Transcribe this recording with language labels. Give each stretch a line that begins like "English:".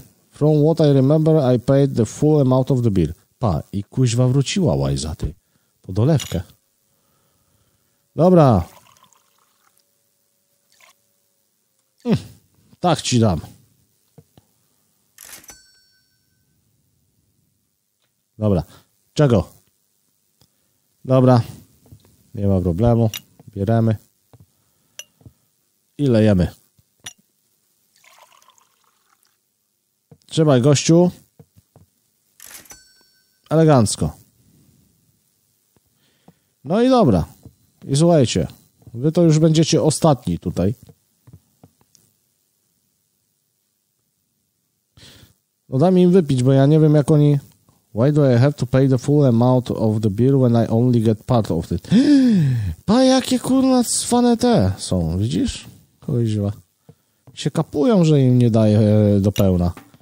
English: From what I remember, I paid the full amount of the beer.
Polish: Pa, i kuźwa wróciła łajza, ty. Po dolewkę. Dobra. Tak ci dam. Dobra. Czego? Dobra. Nie ma problemu. Bieremy. I lejemy. Trzymaj, gościu. Elegancko. No i dobra. I słuchajcie. Wy to już będziecie ostatni tutaj. No daj mi im wypić, bo ja nie wiem, jak oni...
English: Why do I have to pay the full amount of the beer when I only get part of it?
Polish: Pa, jakie kurna cwane te są, widzisz? Kuźwa. Się kapują, że im nie daje do pełna.